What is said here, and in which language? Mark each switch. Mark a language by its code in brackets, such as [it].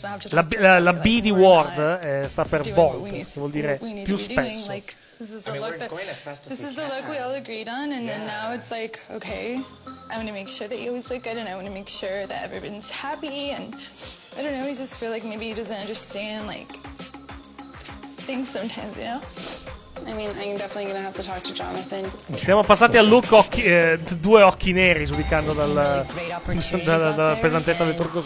[it] La B di Word sta per bold, che vuol dire più spesso. [en] This is the look we all agreed on, and then now it's like, okay, I want to make sure that you always look good, and I want to make sure that everyone's happy, and I don't know, we just feel like maybe he doesn't understand, like, things sometimes, you know? I mean, I'm definitely going to have to talk to Jonathan. [it] Siamo passati al look due occhi neri, giudicando dalla pesantezza del trucco.